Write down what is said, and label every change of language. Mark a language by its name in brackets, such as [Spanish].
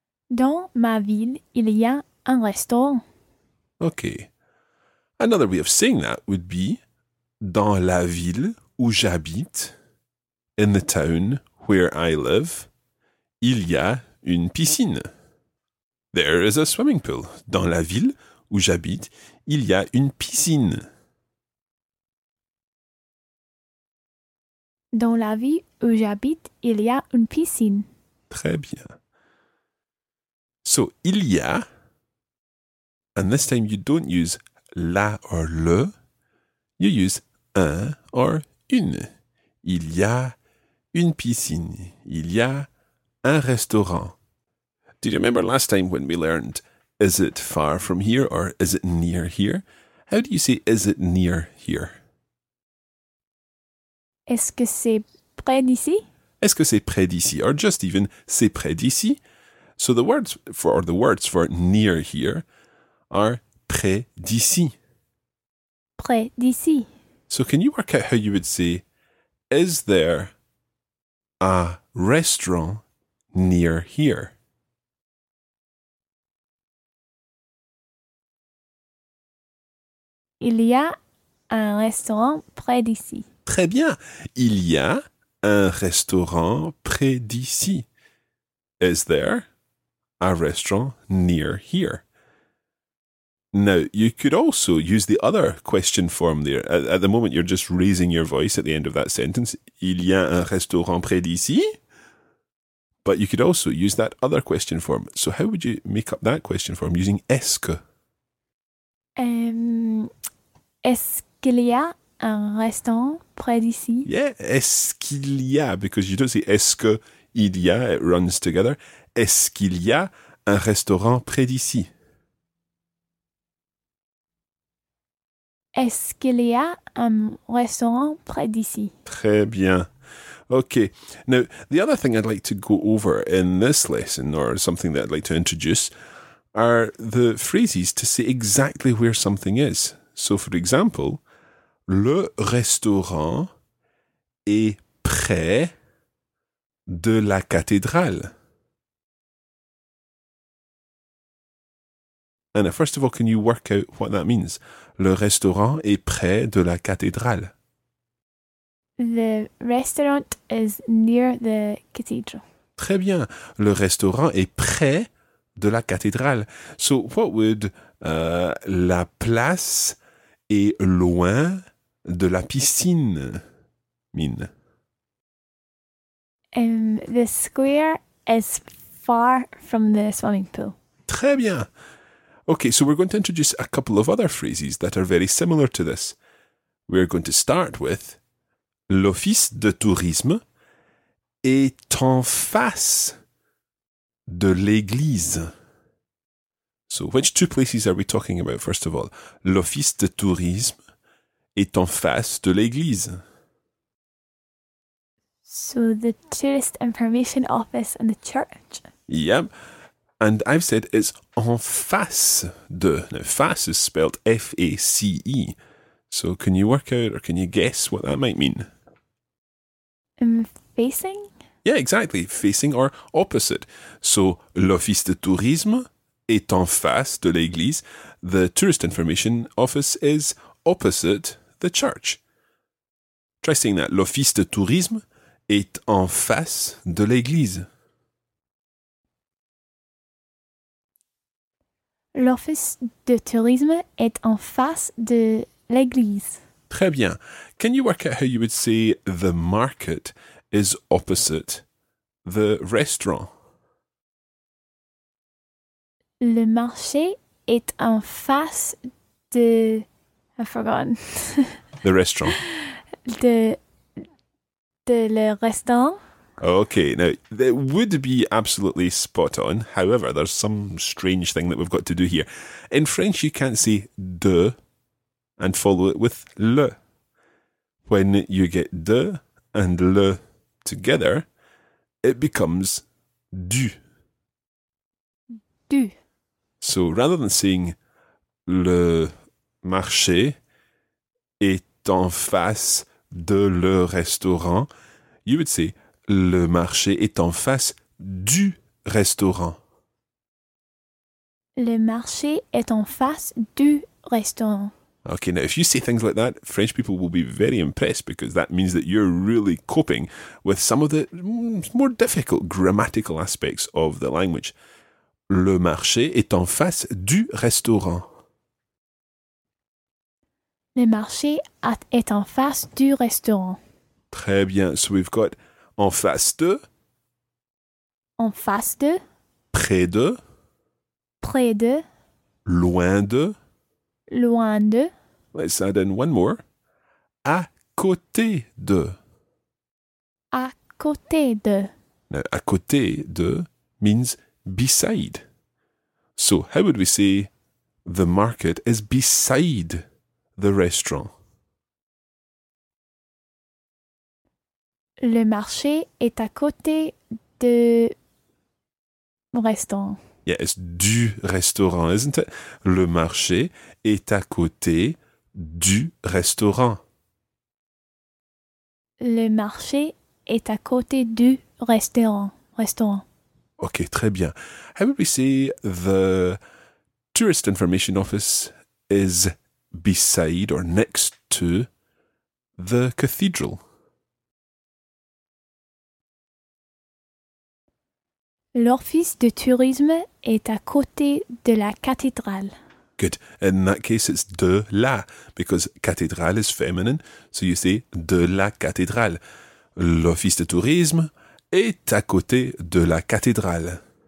[French] Dans ma ville, il y a un restaurant. [English] Okay. Another way of saying that would be [French] dans la ville où j'habite, [English] in the town where I live, [French] il y a une piscine. [English] There is a swimming pool. [French] Dans la ville où j'habite, il y a une piscine. Dans la ville où j'habite, il y a une piscine. Très bien. [English] So, [French] il y a, [English] and this time you don't use la or le, you use un or une. [French] Il y a une piscine. Il y a un restaurant. [English] Did you remember last time when we learned, is it far from here or is it near here? How do you say, is it near here? [French] Est-ce que c'est près d'ici? Est-ce que c'est près d'ici? [English] Or just even, [French] c'est près d'ici? [English] So the words for near here are près d'ici. [French] Près d'ici. [English] So can you work out how you would say, is there a restaurant near here? [French] Il y a un restaurant près d'ici. Très bien. Il y a un restaurant près d'ici. [English] Is there a restaurant near here? Now, you could also use the other question form there. At the moment, you're just raising your voice at the end of that sentence. [French] Il y a un restaurant près d'ici? [English] But you could also use that other question form. So how would you make up that question form using est-ce? [French] Est-ce qu'il y a un restaurant près d'ici? [English] Yeah, [French] est-ce qu'il y a? [English] Because you don't say est-ce qu'il y a, it runs together. [French] Est-ce qu'il y a un restaurant près d'ici? Est-ce qu'il y a un restaurant près d'ici? Très bien. [English] Okay. Now, the other thing I'd like to go over in this lesson, or something that I'd like to introduce, are the phrases to say exactly where something is. So, for example, [French] le restaurant est près de la cathédrale. [English] Anna, first of all, can you work out what that means? [French] Le restaurant est près de la cathédrale. [English] The restaurant is near the cathedral. [French] Très bien. Le restaurant est près de la cathédrale. [English] So, what would [French] la place est loin de la piscine mean? [English] The square is far from the swimming pool. [French] Très bien. [English] Okay, so we're going to introduce a couple of other phrases that are very similar to this. We're going to start with [French] l'office de tourisme est en face de l'église. [English] So which two places are we talking about, first of all? [French] L'office de tourisme est en face de l'église. [English] So the tourist information office and the church. Yep. And I've said it's [French] en face de. [English] Now, face is spelled F-A-C-E. So can you work out or can you guess what that might mean? Facing? Yeah, exactly. Facing or opposite. [French] So l'office de tourisme est en face de l'église. [English] The tourist information office is opposite the church. Try saying that. [French] L'office de tourisme est en face de l'église. L'office de tourisme est en face de l'église. Très bien. [English] Can you work out how you would say the market is opposite the restaurant? [French] Le marché est en face de... [English] I've forgotten. The restaurant. [French] De le restaurant. [English] Okay, now, that would be absolutely spot on. However, there's some strange thing that we've got to do here. In French, you can't say de and follow it with le. When you get de and le together, it becomes du. [French] Du. [English] So rather than saying [French] le marché est en face de le restaurant, [English] you would say [French] le marché est en face du restaurant. Le marché est en face du restaurant. [English] Okay, now if you say things like that, French people will be very impressed because that means that you're really coping with some of the more difficult grammatical aspects of the language. [French] Le marché est en face du restaurant. Le marché est en face du restaurant. Très bien. [English] So we've got [French] en face de. En face de. Près de. Près de. Loin de. Loin de. [English] Let's add in one more. [French] À côté de. À côté de. [English] Now, [French] à côté de [English] means beside. So, how would we say the market is beside the restaurant? [French] Le marché est à côté de restaurant. [English] Yeah, it's [French] du restaurant, [English] isn't it? [French] Le marché est à côté du restaurant. Le marché est à côté du restaurant. Restaurant. [English] OK, [French] très bien. [English] How would we say the tourist information office is beside or next to the cathedral? [French] L'office de tourisme est à côté de la cathédrale. [English] Good. In that case, it's de la, because cathédrale is feminine, so you say [French] de la cathédrale. L'office de tourisme est à côté de la cathédrale.